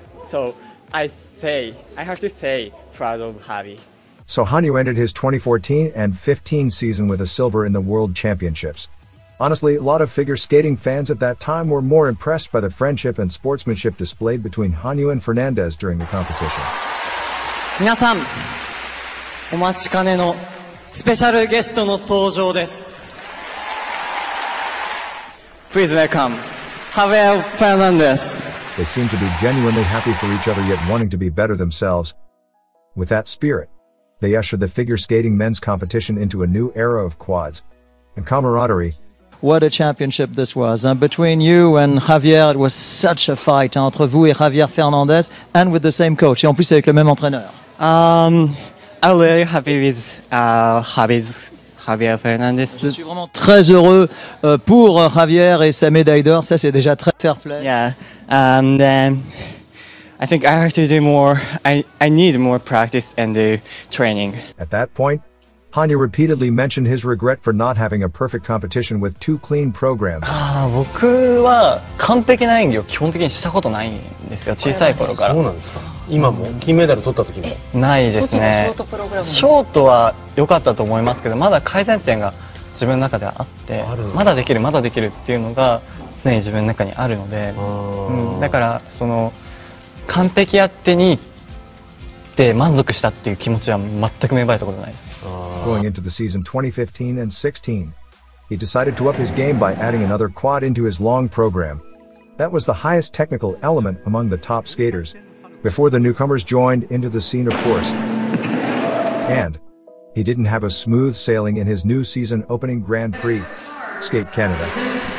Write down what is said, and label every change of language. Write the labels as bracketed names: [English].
[English] So I have to say, proud of Javi. So Hanyu ended his 2014 and 15 season with a silver in the World Championships. Honestly, a lot of figure skating fans at that time were more impressed by the friendship and sportsmanship displayed between Hanyu and Fernandez during the competition. [Japanese] 皆さん、お待ちかねのスペシャルゲストの登場です。 [English] Please welcome Javier Fernandez. They seem to be genuinely happy for each other yet wanting to be better themselves. With that spirit, they usher the figure skating men's competition into a new era of quads and camaraderie. What a championship this was. Between you and Javier, it was such a fight, [French] hein, entre vous et Javier Fernandez, [English] and with the same coach, [French] et en plus avec le même entraîneur. [English] I'm really happy with Javier Fernandez. [French] Je suis vraiment très heureux pour Javier et sa médaille d'or, ça c'est déjà très fair play. [English] Yeah, and I think I have to do more, I need more practice and training. At that point, Hanyu repeatedly mentioned his regret for not having a perfect competition with two clean programs. [Japanese] Ah, 僕は完璧な演技を基本的にしたことないんですよ。小さい頃から。そうなんですか。今も金メダル取った時も。ないですね。ショートは良かったと思いますけど、まだ改善点が自分の中ではあって、まだできる、まだできるっていうのが常に自分の中にあるので、だからその完璧やってにで満足したっていう気持ちは全く芽生えたことないです。 [English] Going into the season 2015 and 16, he decided to up his game by adding another quad into his long program. That was the highest technical element among the top skaters, before the newcomers joined into the scene, of course. And he didn't have a smooth sailing in his new season opening Grand Prix, Skate Canada.